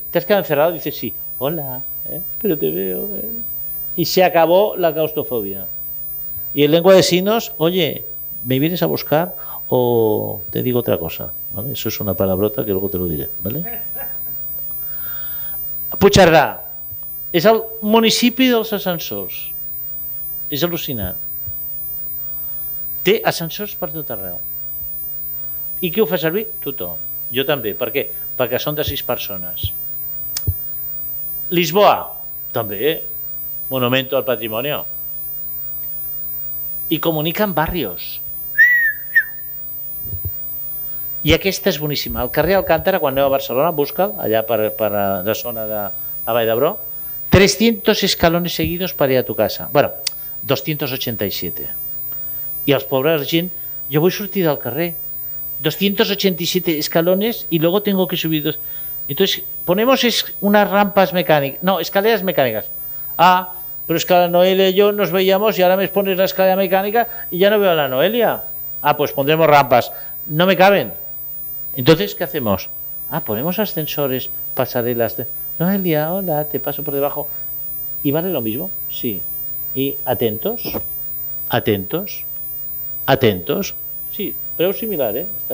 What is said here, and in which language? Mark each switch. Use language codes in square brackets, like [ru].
[es] ¿Te has quedado encerrado? Dice, sí, hola, pero te veo. Y se acabó la claustrofobia. Y en lengua de signos, oye, ¿me vienes a buscar o te digo otra cosa? ¿Vale? Eso es una palabrota que luego te lo diré. ¿Vale? [ca] Puigcerdà, es el municipi dels ascensors, es al·lucinant. Té ascensors per tot arreu. I qui ho fa servir? Tothom. Jo també. Per què? Perquè són de 6 persones. Lisboa, també. [es] Monumento al patrimonio. [ca] I comuniquen barrios. I aquesta és boníssima. El carrer Alcántara, quan aneu a Barcelona, busca'l, allà per la zona de la Vall d'Hebron, 300 [es] escalones seguidos per ir a tu casa. [ca] Bé, bueno, 287. I els pobres gent, jo vull sortir del carrer. [es] 287 escalones i luego tengo que subir dos. Entonces, ponemos unas rampas mecánicas. No, escaleras mecánicas. [ca] Ah, però és que [es] la Noelia i jo nos veíamos i ara me pones la escalera mecànica i ja no veo a la Noelia. Ah, pues pondremos rampas. No me caben. Entonces, ¿qué hacemos? Ah, ponemos ascensores, pasarelas. Noelia, hola, te paso por debajo. ¿Y vale lo mismo? Sí. Y atentos, atentos. Atentos, sí, [ca] preu similar, [es] ¿eh?